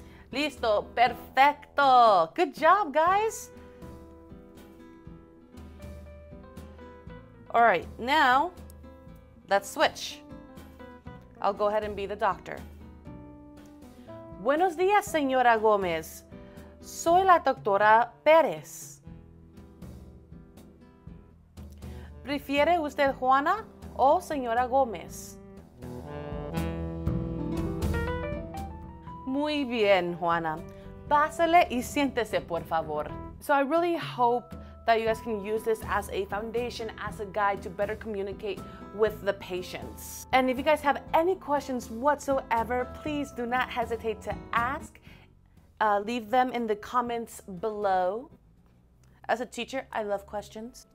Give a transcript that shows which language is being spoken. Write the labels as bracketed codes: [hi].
[es] Listo, perfecto. [en] Good job, guys. All right, now let's switch. I'll go ahead and be the doctor. [es] Buenos días, señora Gómez. Soy la doctora Pérez. ¿Prefiere usted Juana o señora Gómez? Muy bien, Juana. Pásale y siéntese, por favor. [en] So I really hope that you guys can use this as a foundation, as a guide to better communicate with the patients. And if you guys have any questions whatsoever, please do not hesitate to ask. Leave them in the comments below. As a teacher, I love questions.